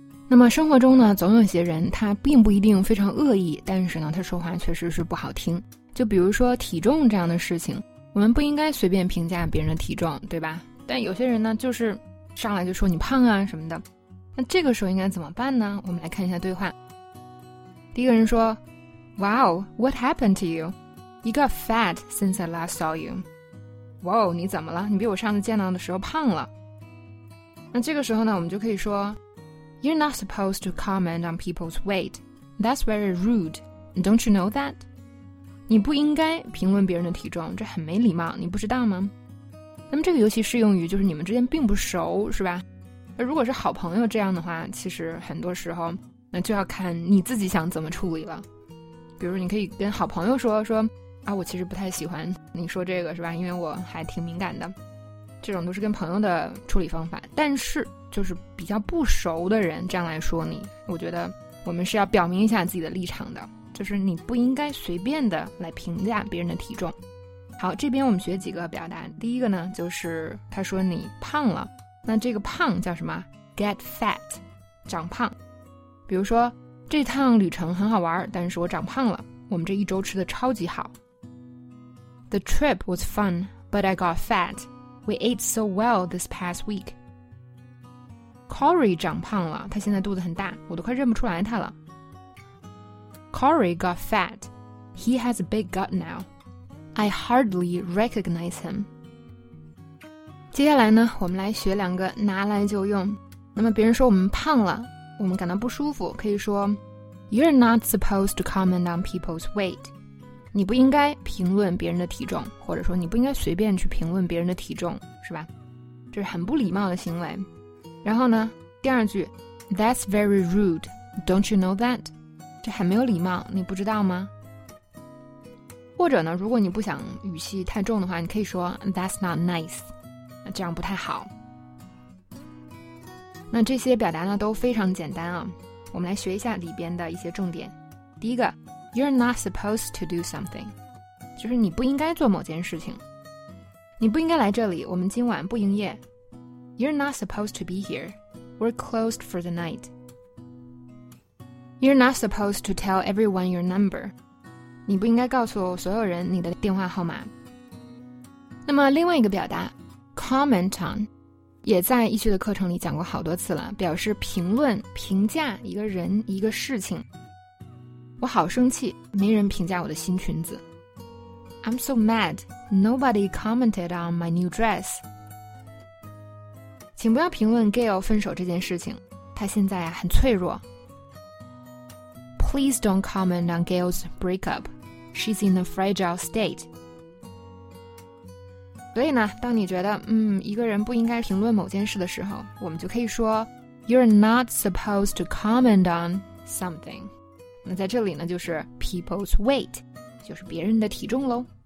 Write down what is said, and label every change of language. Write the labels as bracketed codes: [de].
[zh] 那么生活中呢，总有些人他并不一定非常恶意，但是呢他说话确实是不好听。就比如说体重这样的事情，我们不应该随便评价别人的体重对吧，但有些人呢就是上来就说你胖啊什么的，那这个时候应该怎么办呢？我们来看一下对话。第一个人说， [en] Wow, what happened to you? You got fat since I last saw you. [zh] Wow, 你怎么了？你比我上次见到的时候胖了。那这个时候呢，我们就可以说， [en] You're not supposed to comment on people's weight. That's very rude. Don't you know that? [zh] 你不应该评论别人的体重，这很没礼貌，你不知道吗？那么这个尤其适用于就是你们之间并不熟是吧，如果是好朋友这样的话，其实很多时候那就要看你自己想怎么处理了。比如你可以跟好朋友说啊，我其实不太喜欢你说这个是吧，因为我还挺敏感的，这种都是跟朋友的处理方法。但是就是比较不熟的人这样来说你，我觉得我们是要表明一下自己的立场的，就是你不应该随便的来评价别人的体重。好，这边我们学几个表达。第一个呢，就是他说你胖了，那这个胖叫什么？ [en] Get fat， [zh] 长胖。比如说这趟旅程很好玩，但是我长胖了，我们这一周吃的超级好。 [en] The trip was fun, but I got fat. We ate so well this past week. [zh] Corey 长胖了，他现在肚子很大，我都快认不出来他了。 [en] Corey got fat. He has a big gut nowI hardly recognize him. [zh] 接下来呢，我们来学两个拿来就用。那么别人说我们胖了，我们感到不舒服，可以说 [en] You're not supposed to comment on people's weight. [zh] 你不应该评论别人的体重，或者说你不应该随便去评论别人的体重，是吧？这是很不礼貌的行为。然后呢，第二句 [en] That's very rude. Don't you know that? [zh] 这很没有礼貌，你不知道吗？或者呢，如果你不想语气太重的话，你可以说 [en] That's not nice， [zh] 这样不太好。那这些表达呢都非常简单啊，我们来学一下里边的一些重点。第一个， [en] You're not supposed to do something， [zh] 就是你不应该做某件事情。你不应该来这里，我们今晚不营业。 [en] You're not supposed to be here， We're closed for the night。 You're not supposed to tell everyone your number， [zh] 你不应该告诉所有人你的电话号码。那么另外一个表达 comment on， 也在易趣的课程里讲过好多次了，表示评论评价一个人一个事情。我好生气，没人评价我的新裙子。 [en] I'm so mad nobody commented on my new dress。 [zh] 请不要评论 Gale 分手这件事情，他现在很脆弱。 [en] Please don't comment on Gail's breakup. She's in a fragile state. [zh] 所以呢，当你觉得一个人不应该评论某件事的时候，我们就可以说 [en] You're not supposed to comment on something. [zh] 那在这里呢，就是 [en] people's weight， [zh] 就是别人的体重咯。